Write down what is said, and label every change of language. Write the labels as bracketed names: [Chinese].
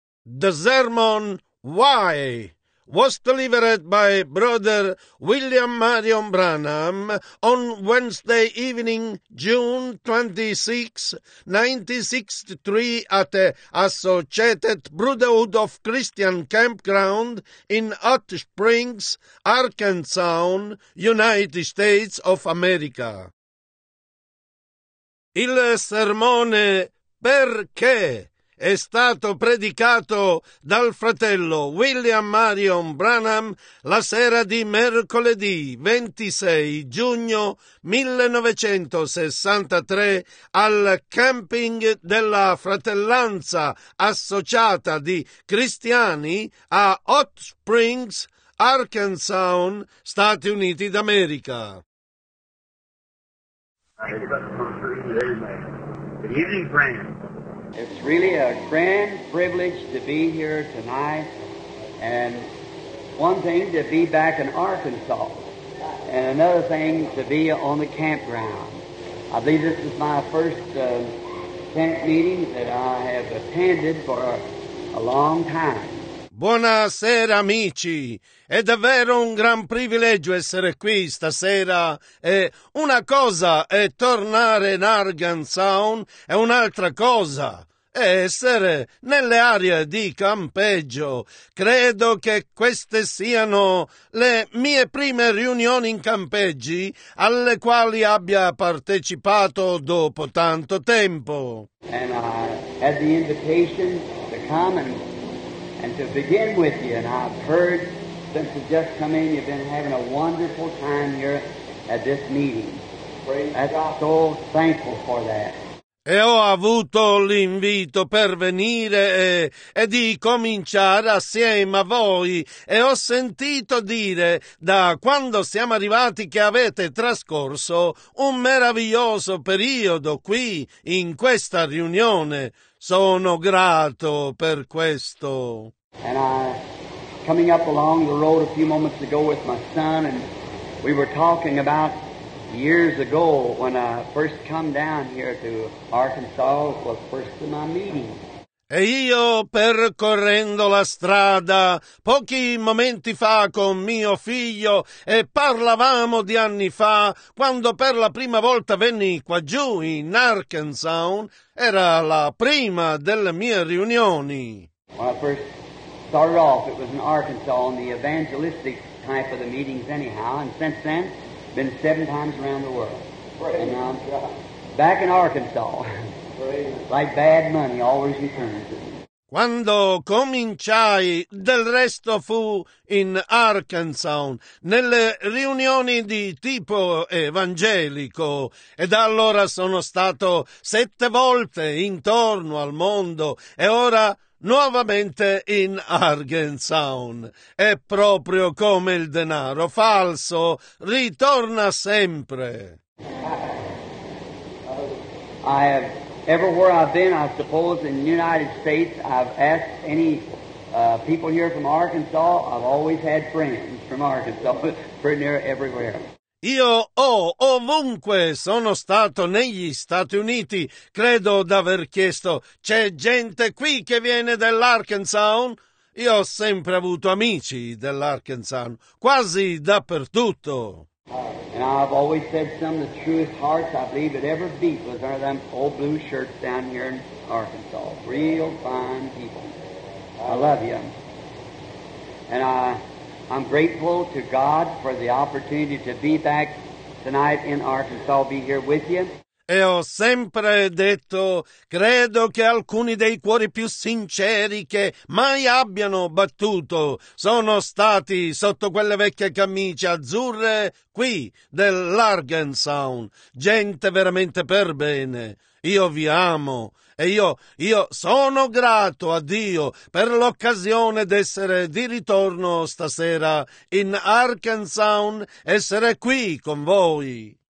[English] The sermon, Why, was delivered by Brother William Marion Branham on Wednesday evening, June 26, 1963, at the Associated Brotherhood of Christian Campground in Hot Springs, Arkansas, United States of America. [Italian] Il sermone Perché è stato predicato dal fratello William Marion Branham la sera di mercoledì 26 giugno 1963 al camping della Fratellanza Associata di Cristiani a Hot Springs, Arkansas, Stati Uniti d'America. [English] Good evening, friends. It's really a grand privilege to be here tonight, and one thing to be back in Arkansas, and another thing to be on the campground. I believe this is my first tent meeting that I have attended for a long time. [Italian] Buonasera amici, è davvero un gran privilegio essere qui stasera e una cosa è tornare in Arkansas e un'altra cosa è essere nelle aree di campeggio. Credo che queste siano le mie prime riunioni in campeggi alle quali abbia partecipato dopo tanto tempo. [English] And I had the invitation to come and to begin with you, and I've heard since you just come in, you've been having a wonderful time here at this meeting. I'm so thankful for that. [Italian] E ho avuto l'invito per venire e di cominciare assieme a voi e ho sentito dire da quando siamo arrivati che avete trascorso un meraviglioso periodo qui in questa riunione. Sono grato per questo. [English] And I, coming up along the road a few moments ago with my son, and we were talking about years ago when I first come down here to Arkansas was first in my meeting. [Italian] E io percorrendo la strada pochi momenti fa con mio figlio e parlavamo di anni fa quando per la prima volta venni qua giù in Arkansas, era la prima delle mie riunioni. [English] When I first started off, it was in Arkansas on the evangelistic type of the meetings anyhow, and since then been seven times around the world. Praise God. Back in Arkansas. Like bad money always returns. [Italian] Quando cominciai, del resto fu in Arkansas, nelle riunioni di tipo evangelico, e da allora sono stato sette volte intorno al mondo, e ora nuovamente in Arkansas. È proprio come il denaro falso, ritorna sempre. [English] Everywhere I've been, I suppose, in the United States, I've asked any people here from Arkansas, I've always had friends from Arkansas, pretty near everywhere. [Italian] Io ovunque sono stato negli Stati Uniti, credo d'aver chiesto, c'è gente qui che viene dell'Arkansas? Io ho sempre avuto amici dell'Arkansas, quasi dappertutto. [English] And I've always said some of the truest hearts I believe that ever beat was under them old blue shirts down here in Arkansas. Real fine people. I love you. And I'm grateful to God for the opportunity to be back tonight in Arkansas, be here with you. [Italian] E ho sempre detto, credo che alcuni dei cuori più sinceri che mai abbiano battuto sono stati sotto quelle vecchie camicie azzurre qui dell'Arkansas. Gente veramente per bene. Io vi amo e io sono grato a Dio per l'occasione d'essere di ritorno stasera in Arkansas, essere qui con voi.